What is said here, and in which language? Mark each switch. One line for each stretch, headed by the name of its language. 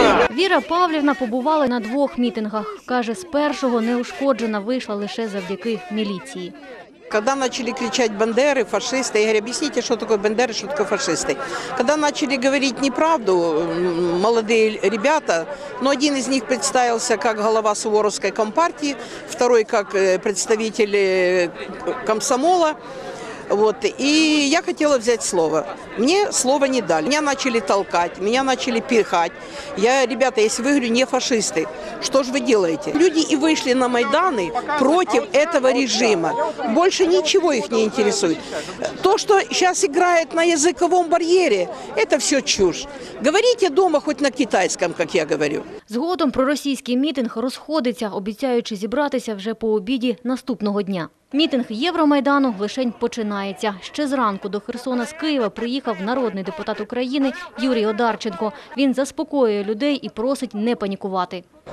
Ukrainian: Віра Павлівна побувала на двох мітингах. Каже, з першого неушкоджена вийшла лише завдяки міліції.
Russian: Когда начали кричать бандеры, фашисты, я говорю, объясните, что такое бандеры, что такое фашисты. Когда начали говорить неправду, молодые ребята, ну, один из них представился как глава Суворовской компартии, второй как представитель комсомола. Вот, и я хотела взять слово. Мне слова не дали. Меня начали толкать, меня начали пихать. Я, ребята, если вы, говорю, не фашисты, что же вы делаете? Люди и вышли на Майданы против этого режима. Больше ничего их не интересует. То, что сейчас играет на языковом барьере, это все чушь. Говорите дома хоть на китайском, как я говорю.
Ukrainian: Згодом проросійський мітинг розходиться, обіцяючи зібратися вже по обіді наступного дня. Мітинг Євромайдану лишень починається. Ще зранку до Херсона з Києва приїхав народний депутат України Юрій Одарченко. Він заспокоює людей і просить не панікувати.